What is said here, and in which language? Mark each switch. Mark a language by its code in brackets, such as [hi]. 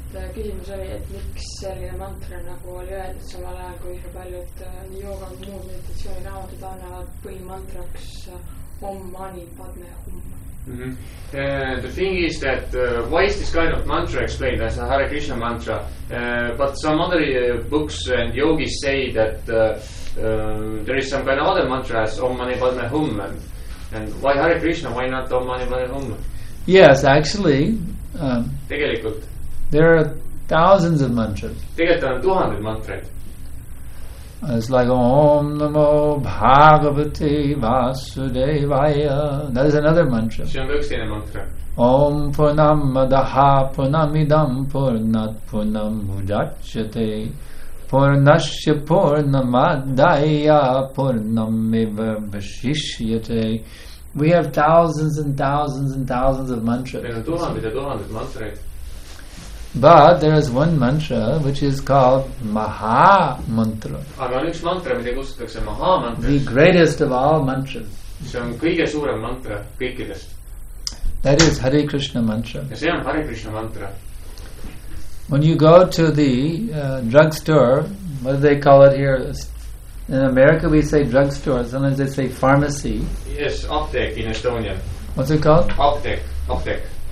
[et] Küsimus oli, et miks selline mantra nagu oli öeldud samal ajal, kui paljud jooga muud meditatsiooni raamatud annavad põhimantraks Om Mani Padme Hum. [en] The thing is that why is this kind of mantra explained as a Hare Krishna mantra? But some other books and yogis say that there is some kind of other mantra as Om Mani Padme Hum. And why Hare Krishna? Why not Om Mani Padme Hum? Yes, actually. [et] Tegelikult. [en] There are thousands of mantras. [et] Tegelikult on tuhanded mantrad. [en] It's like Om Namo Bhagavate Vasudevaya. That is another mantra. [et] See on üks teine mantra. [sa] Om Purnamadaha Purnamidam Purnat Purnamudachate Purnasya Purnamadaya Purnamiva Vashishyate. [en] We have thousands and thousands and thousands of mantras. [et] Meil on tuhanded ja tuhanded mantrad. [en] But there is one mantra which is called Maha Mantra. [et] Aga on üks mantra, mida kustatakse Maha Mantra. [en] The greatest of all mantras. [et] See on kõige suurem mantra kõikidest. [en] That is Hare Krishna Mantra. [et] Ja see on Hare Krishna Mantra. [en] When you go to the drugstore, what do they call it here? In America we say drugstore, sometimes they say pharmacy. Yes, aptek in Estonian. What's it called? Aptek.